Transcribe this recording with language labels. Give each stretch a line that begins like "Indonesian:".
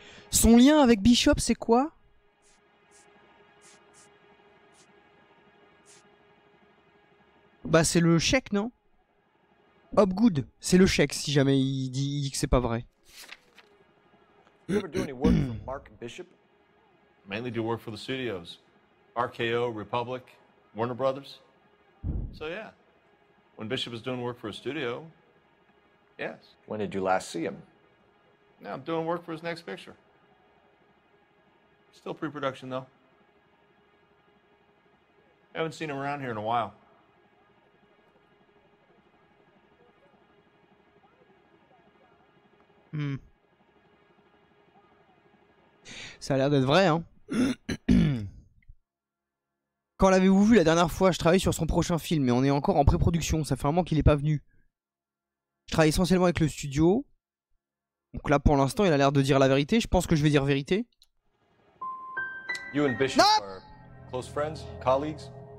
French: Son lien avec Bishop, c'est quoi? Bah, c'est le chèque, non? Hopgood, c'est le chèque si jamais il dit que c'est pas vrai.
English: You ever do any work for Mark Bishop? Mainly do work for the studios. RKO, Republic, Warner Brothers. So yeah. When Bishop is doing work for a studio, yes. When did you last see him? Now I'm doing work for his next picture. Still pre-production though. I haven't seen him around here in a while. Hmm.
French: Ça a l'air d'être vrai, hein. Quand l'avez-vous vu la dernière fois? Je travaille sur son prochain film et on est encore en pré-production. Ça fait un moment qu'il n'est pas venu. Je travaille essentiellement avec le studio. Donc là, pour l'instant, il a l'air de dire la vérité. Je pense que je vais dire vérité.
English: You and Bishop non are close friends, colleagues.